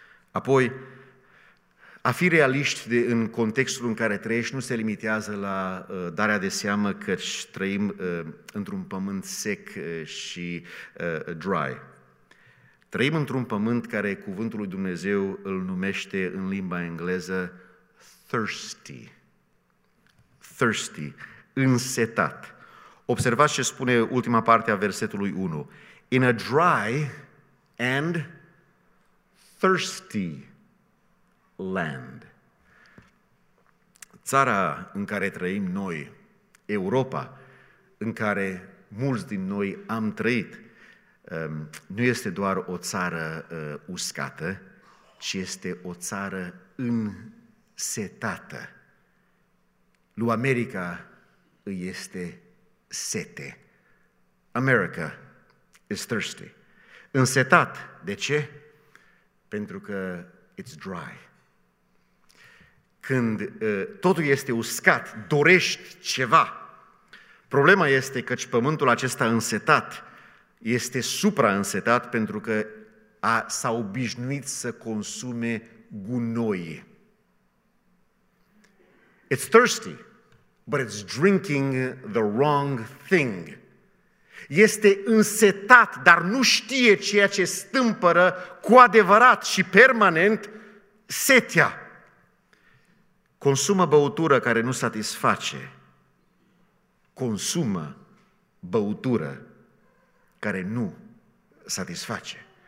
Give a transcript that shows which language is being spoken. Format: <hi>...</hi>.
<ro>Apoi, a fi realiști în contextul în care trăiești nu se limitează la darea de seamă că trăim într-un pământ sec și dry. Trăim într-un pământ care cuvântul lui Dumnezeu îl numește în limba engleză thirsty. Thirsty, însetat. Observați ce spune ultima parte a versetului 1.</ro> <en>In a dry and thirsty land.</en> <ro>Țara în care trăim noi, Europa, în care mulți din noi am trăit, nu este doar o țară uscată, ci este o țară însetată. Lui America îi este sete.</ro> <en>America is thirsty.</en> <ro>Însetat. De ce? Pentru că</ro> <en>it's dry.</en> <ro>Când totul este uscat, dorești ceva. Problema este că pământul acesta însetat este supra-însetat pentru că s-a obișnuit să consume gunoi.</ro> <en>It's thirsty, but it's drinking the wrong thing.</en> <ro>Este însetat, dar nu știe ceea ce stâmpără cu adevărat și permanent setea. Consumă băutură care nu satisface. Consumă băutură care nu satisface.</ro>